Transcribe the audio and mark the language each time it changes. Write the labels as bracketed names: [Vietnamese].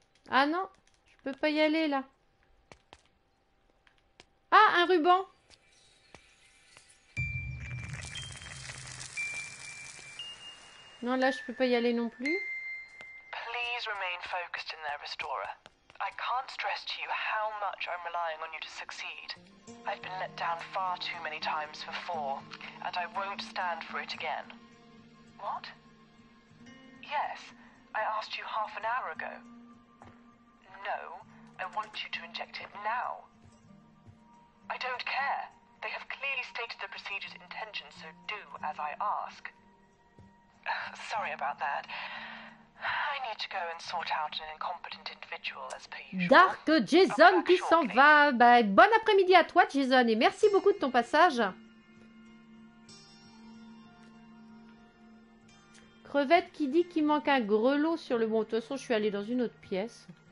[French] Ah non, je peux pas y aller là. Un ruban. Non, là, je peux pas y aller non plus. [English] Please remain focused in their restorer. I can't stress to you how much I'm relying on you to succeed. I've been let down far too many times before, and I won't stand for it again. What? Yes, I asked you half an hour ago. No, I want you to inject it now. I don't care. They have clearly stated the procedure's intention, so do as I ask. Sorry about that. I need to go and sort out an incompetent individual as per usual. [French] Dark Jason qui s'en va. Ben, bon après-midi à toi, Jason, et merci beaucoup de ton passage. Crevette qui dit qu'il manque un grelot sur le bon. De toute façon, je suis allée dans une autre pièce.